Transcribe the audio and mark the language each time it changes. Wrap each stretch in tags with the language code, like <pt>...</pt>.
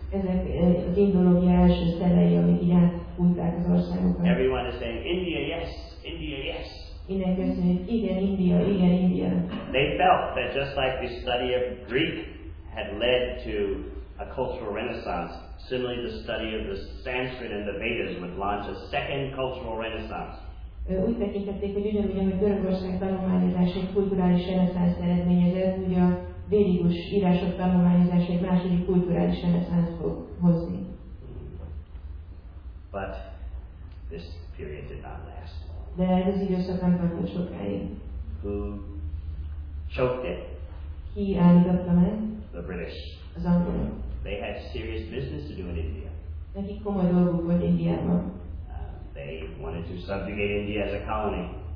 <en>Everyone is saying, India, yes, India, yes. They felt that just like the study of Greek had led to a cultural renaissance, similarly the study of the Sanskrit and the Vedas would launch a second cultural renaissance.</en> <hu>úgy tekintették, hogy ugyanúgy, hogy Görögország tanulmányozása egy kulturális reneszánsz eredményezett, ugye a védikus írások tanulmányozása egy második kulturális reneszánsz fog hozni.</hu> <en>But this period did not last.</en> <hu>De ez időszak nem tartott sokáig.</hu> <en>Who choked it?</en> <hu>Ki állította meg?</hu> <en>The British.</en> <hu>Az angolok.</hu> <en>They had serious business to do in India.</en> <hu>Nekik komoly dolguk volt Indiában.</hu> <en>They wanted to subjugate India as a colony.</en>